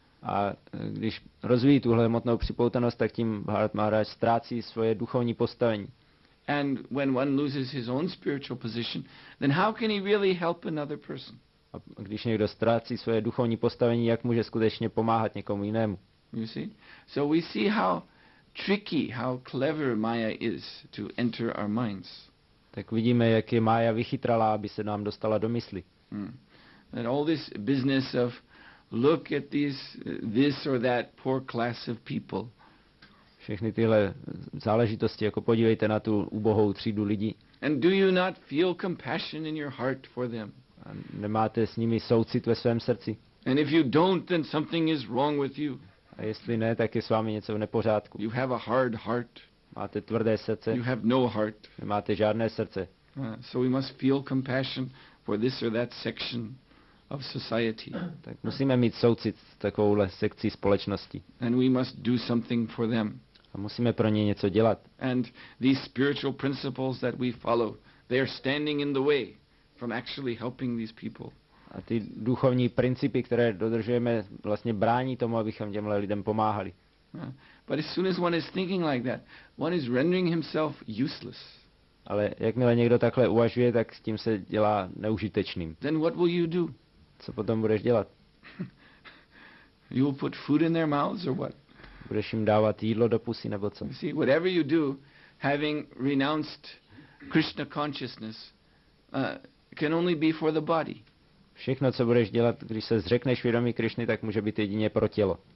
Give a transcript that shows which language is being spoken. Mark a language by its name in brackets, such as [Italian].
[Czech] A když rozvíjí tuhle hmotnou připoutanost, tak tím Bharat Maharaj ztrácí svoje duchovní postavení. [English] And when one loses his own spiritual position, then how can he really help another person? [Czech] A když někdo ztrácí svoje duchovní postavení, jak může skutečně pomáhat někomu jinému? [English] You see? So we see how tricky, how clever Maya is to enter our minds. [Czech] Tak vidíme, jak je Maya vychytralá, aby se nám dostala do mysli. [English] And all this business of look at this or that poor class of people. [Czech] Všechny tyhle záležitosti, jako podívejte na tu ubohou třídu lidí. [English] And do you not feel compassion in your heart for them? [Czech] A nemáte s nimi soucit ve svém srdci? [English] And if you don't, then something is wrong with you. [Czech] A jestli ne, tak je s vámi něco v nepořádku. [English] You have a hard heart. [Czech] Máte tvrdé srdce. [English] You have no heart. [Czech] Nemáte žádné srdce. [English] So we must feel compassion for this or that section of society. [Czech] Tak musíme mít soucit s takovouhle sekcí společnosti. [English] And we must do something for them. [Czech] A musíme pro ně něco dělat. [English] And these spiritual principles that we follow, they are standing in the way from actually helping these people. [Czech] A ty duchovní principy, které dodržujeme, vlastně brání tomu, abychom těmhle lidem pomáhali. [English] But as soon as one is thinking like that, one is rendering himself useless. [Czech] Ale jakmile někdo takhle uvažuje, tak s tím se dělá neužitečným. [English] Then what will you do? [Czech] Co potom budeš dělat? [English] You will put food in their mouths or what? [Czech] Budeš jim dávat jídlo do pusy nebo co? [English] You see, whatever you do, having renounced Krishna consciousness, can only be for the body. [Czech] Všechno, co budeš dělat, když se zřekneš vědomí Krišny, tak může být jedině pro tělo.